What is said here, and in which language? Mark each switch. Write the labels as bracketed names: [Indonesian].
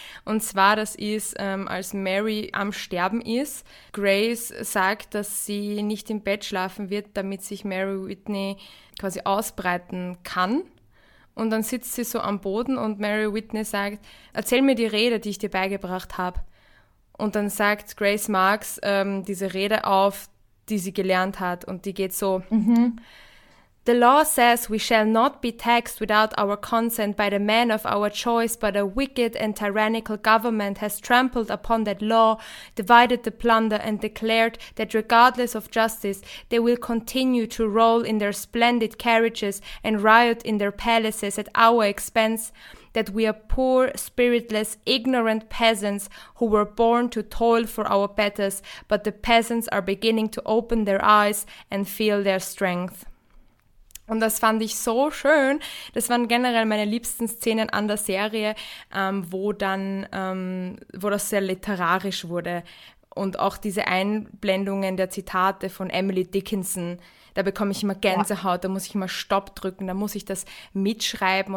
[German] Und zwar, das ist, als Mary am Sterben ist, Grace sagt, dass sie nicht im Bett schlafen wird, damit sich Mary Whitney quasi ausbreiten kann. Und dann sitzt sie so am Boden und Mary Whitney sagt, erzähl mir die Rede, die ich dir beigebracht habe. Und dann sagt Grace Marks diese Rede auf, die sie gelernt hat. Und die geht so... Mhm. [English] The law says we shall not be taxed without our consent by the man of our choice, but a wicked and tyrannical government has trampled upon that law, divided the plunder, and declared that regardless of justice, they will continue to roll in their splendid carriages and riot in their palaces at our expense, that we are poor, spiritless, ignorant peasants who were born to toil for our betters, but the peasants are beginning to open their eyes and feel their strength. [German] Und das fand ich so schön. Das waren generell meine liebsten Szenen an der Serie, wo das sehr literarisch wurde. Und auch diese Einblendungen der Zitate von Emily Dickinson, da bekomme ich immer Gänsehaut, da muss ich immer Stopp drücken, da muss ich das mitschreiben.